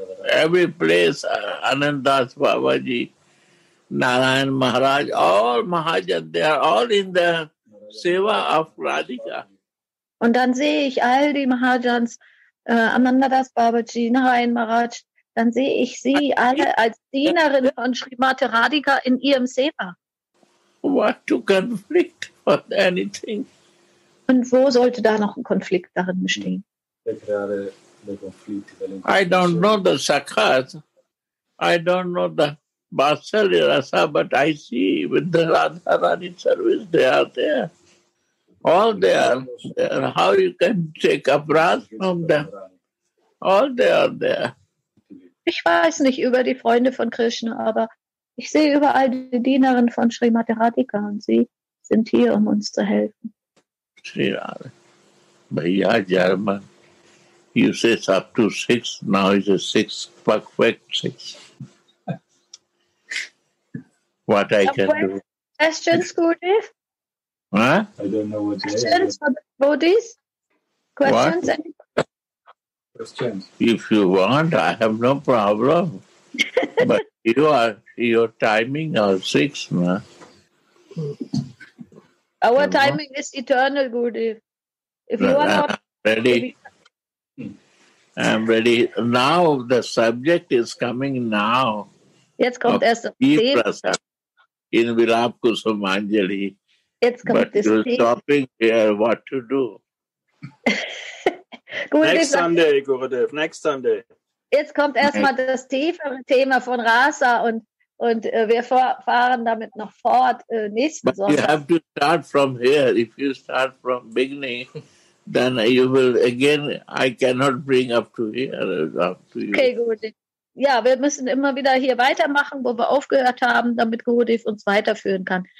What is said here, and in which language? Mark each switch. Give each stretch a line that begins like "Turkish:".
English: Every place, Anandas Babaji, Narayan Maharaj, all Mahajan, they are all in the Seva of Radhika.
German: Und dann sehe ich all die Mahajans, Anandas Babaji, Narayan Maharaj, dann sehe ich sie alle als Dienerin von Srimati Radhika in ihrem Seva.
English: What to conflict for anything?
German: Und wo sollte da noch ein Konflikt darin bestehen?
English: I don't know the Sakhas, I don't know the Vatsali Rasa, but I see with the Radharani service, they are there. All they are there. How you can take abrasion from them? All they are there.
German: Ich weiß nicht über die Freunde von Krishna, aber ich sehe überall die Dienerin von Srimati Radhika und sie sind hier, um uns zu helfen.
English: Sri Radha. Bhaiya German. You say it's up to six, now it's a six, perfect six. What I can do. Questions, Gurudev? Huh? I don't know what questions you ask. For the devotees? Questions? What? If you want, I have no problem. But you are, your timing are six, ma. Our you timing want? Is eternal, Gurudev. If you are not ready, I'm ready. Now the subject is coming now.
German: Jetzt kommt erst das Thema. In Vilapa Kusumanjali. Jetzt kommt
English: but you're stopping here, what to do? Next Sunday, Gurudev, next Sunday.
German: Jetzt kommt erstmal das tiefere Thema von Rasa und wir fahren damit noch fort nächsten
English: but
German: Sonntag.
English: You have to start from here. If you start from beginning, then you will again, I cannot bring up to here. Up to you. Okay, Gurudev.
German: Ja, wir müssen immer wieder hier weitermachen, wo wir aufgehört haben, damit Gurudev uns weiterführen kann.